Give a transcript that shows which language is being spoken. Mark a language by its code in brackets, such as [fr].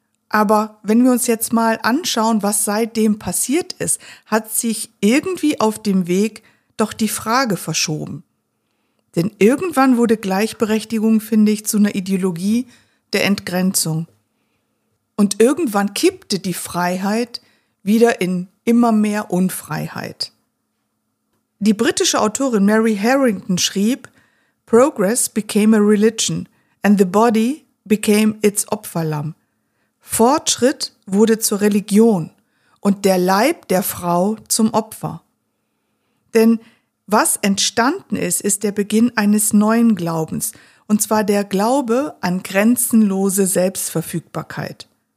[de] Aber wenn wir uns jetzt mal anschauen, was seitdem passiert ist, hat sich irgendwie auf dem Weg doch die Frage verschoben. Denn irgendwann wurde Gleichberechtigung, finde ich, zu einer Ideologie der Entgrenzung. Und irgendwann kippte die Freiheit wieder in immer mehr Unfreiheit. Die britische Autorin Mary Harrington schrieb, [en] "Progress became a religion and the body became its Opferlamm." [de] Fortschritt wurde zur Religion und der Leib der Frau zum Opfer. Denn was entstanden ist, ist der Beginn eines neuen Glaubens, und zwar der Glaube an grenzenlose Selbstverfügbarkeit.